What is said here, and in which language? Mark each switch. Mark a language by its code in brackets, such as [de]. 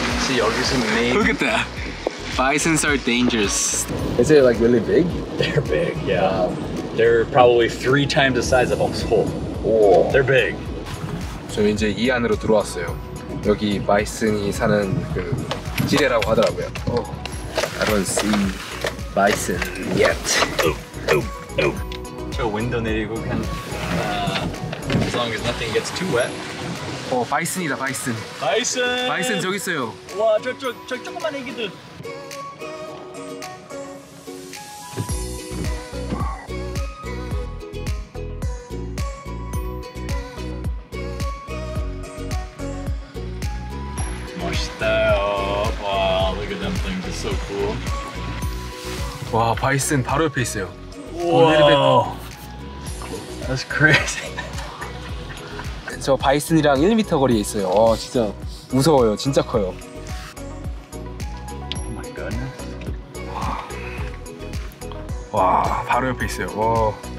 [en] Here we are, look at that! Bisons are dangerous. Is it like really big? They're big, yeah. They're probably 3 times the size of a whole. Whoa. They're big. [ko] 저 이제 이 안으로 들어왔어요. 여기 바이슨이 사는 그 지대라고 하더라고요. [en] Oh, I don't see bison yet. Oh, oh, oh. [ko] 저 window 내리고 그냥 [en] as long as nothing gets too wet. [ko] 오, 바이슨이다, 바이슨. 바이슨! 바이슨 저기 있어요. 와, 저 조금만 애기들. 멋있다. [en] 와, look at them things, it's so cool. [ko] 와, 바이슨 바로 옆에 있어요. [en] 와, that's crazy. [ko] 저 바이슨이랑 1m 거리에 있어요. 어, 진짜 무서워요. 진짜 커요. [en] Oh my goodness. [ko] 와. 와, 바로 옆에 있어요. 와.